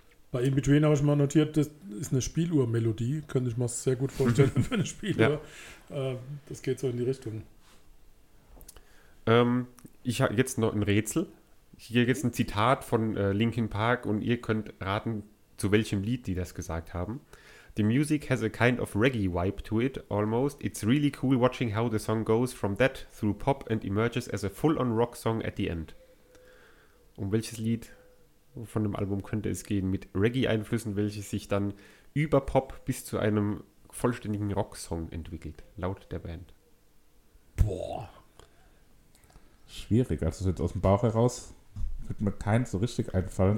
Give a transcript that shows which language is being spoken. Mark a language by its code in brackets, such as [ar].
[de] Bei In Between habe ich mal notiert, das ist eine Spieluhrmelodie, könnte ich mir sehr gut vorstellen für eine Spieluhr. Ja. Das geht so in die Richtung. Ich habe jetzt noch ein Rätsel. Hier gibt es ein Zitat von Linkin Park und ihr könnt raten, zu welchem Lied die das gesagt haben. [en] The music has a kind of reggae vibe to it, almost. It's really cool watching how the song goes from that through pop and emerges as a full-on rock song at the end. [de] Um welches Lied von dem Album könnte es gehen mit Reggae-Einflüssen, welches sich dann über Pop bis zu einem vollständigen Rocksong entwickelt, laut der Band. Boah. Schwierig, also jetzt aus dem Bauch heraus wird mir kein so richtig einfallen.